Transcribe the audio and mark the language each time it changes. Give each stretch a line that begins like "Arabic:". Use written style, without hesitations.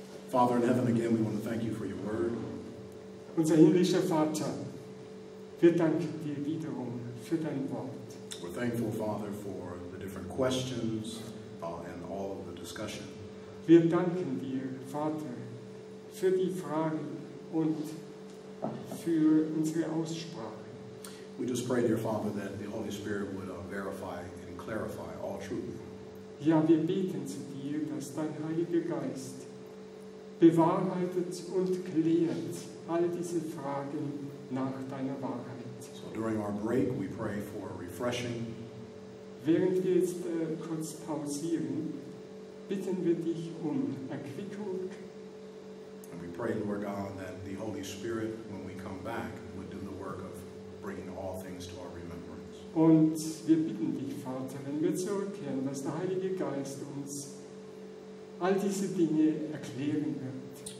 English: Father in heaven, again, we want to thank you for your word.
German: Unser himmlischer Vater, wir danken dir wiederum.
English: We're thankful, Father, for the different questions and all of the discussion.
German: Wir danken dir, Vater, für die Fragen und für unsere Aussprache.
English: We just pray, dear Father, that the Holy Spirit would verify and clarify all truth.
German: Ja, wir beten zu dir, dass dein Heiliger Geist bewahrheitet und klärt all diese Fragen nach deiner Wahrheit.
English: During our break, we pray for a refreshing.
German: Während wir jetzt kurz pausieren, bitten wir dich um Erquickung.
English: And we pray, Lord God, that the Holy Spirit, when we come back, would do the work of bringing all things to our remembrance.
German: Und wir bitten dich, Vater, wenn wir zurückkehren, dass der Heilige Geist uns all diese Dinge erklären wird.